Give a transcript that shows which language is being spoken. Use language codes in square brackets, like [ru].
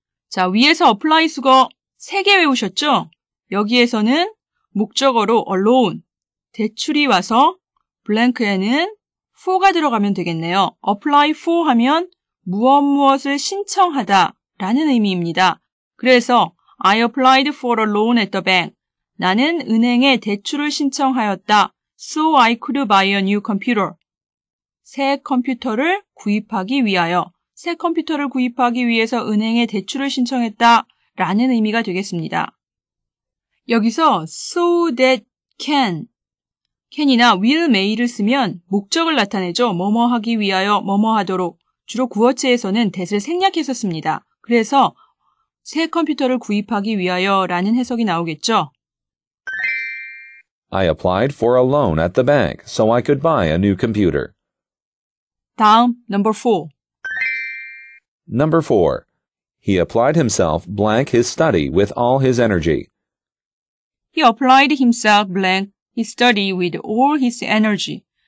[ko] 자, 위에서 apply 수거 3개 외우셨죠? 여기에서는 목적어로 alone, 대출이 와서 blank에는 for가 들어가면 되겠네요. apply for 하면 무엇무엇을 신청하다 라는 의미입니다. 그래서 [en] I applied for a loan at the bank. [ko] 나는 은행에 대출을 신청하였다. [en] So I could buy a new computer. [ko] 새 컴퓨터를 구입하기 위하여 새 컴퓨터를 구입하기 위해서 은행에 대출을 신청했다 라는 의미가 되겠습니다. 여기서 so that can이나 will, may를 쓰면 목적을 나타내죠. 뭐뭐하기 위하여 뭐뭐하도록. 주로 구어체에서는 that을 생략했었습니다. 그래서 새 컴퓨터를 구입하기 위하여 라는 해석이 나오겠죠. [en] I applied for a loan at the bank so I could buy a new computer. [ko] 다음, [en] number four. Number four. He applied himself blank his study with all his energy. He applied himself blank his study with all his energy.